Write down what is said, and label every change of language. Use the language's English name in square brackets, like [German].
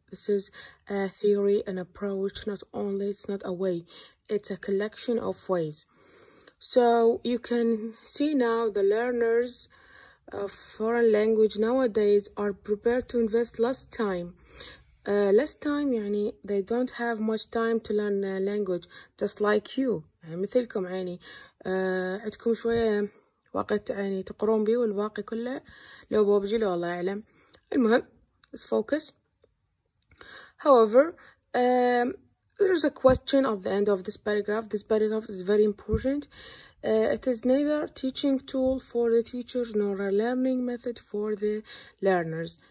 [English] This is a theory, an approach, not only, it's not a way, it's a collection of ways. So you can see now the learners of foreign language nowadays are prepared to invest less time. Less time, يعني they don't have much time to learn a language, just like you. [Arabic] مثلكم يعني عندكم شوية وقت يعني تقرون بيه والباقي كله لو ببجي له الله يعلم. [English] المهم, let's focus. However, there's a question at the end of this paragraph. This paragraph is very important. It is neither teaching tool for the teachers nor a learning method for the learners.